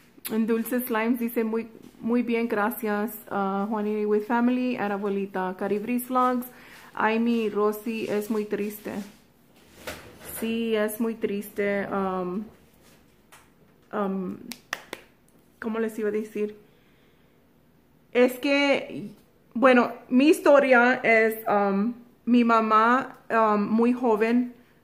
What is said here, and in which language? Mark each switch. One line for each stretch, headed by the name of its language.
Spanish: En Dulce Slimes dice muy, muy bien, gracias.
English: Juanita with family and abuelita.
Spanish: Caribris Vlogs,
English: I mean,
Spanish: Rosy es muy triste. Sí, es muy triste. ¿Cómo les iba a decir? Es que, bueno, mi historia es mi mamá muy joven.